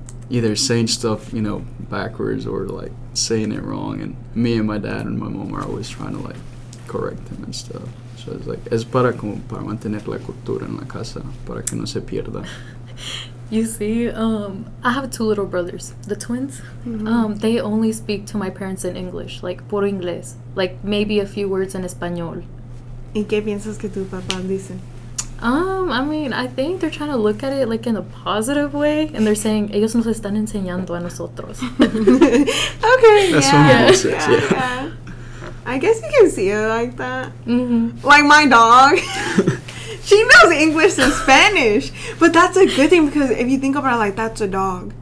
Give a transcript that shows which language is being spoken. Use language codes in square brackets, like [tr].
[en] either saying stuff, you know, backwards or like saying it wrong, and me and my dad and my mom are always trying to like correct him and stuff. So it's like, [es] es para como para mantener la cultura en la casa, para que no se pierda. [en] You see, I have two little brothers, the twins. Mm-hmm. They only speak to my parents in English, like [es] por inglés, [en] like maybe a few words in español. [es] ¿Y qué piensas que tu papá dice? [en] I mean, I think they're trying to look at it like in a positive way, and they're saying [es] ellos nos están enseñando a nosotros. [en] Okay, that's yeah. What yeah. Says, yeah. Yeah. I guess you can see it like that. Mm-hmm. Like my dog. She knows English and Spanish. But that's a good thing, because if you think about it, like, that's a dog.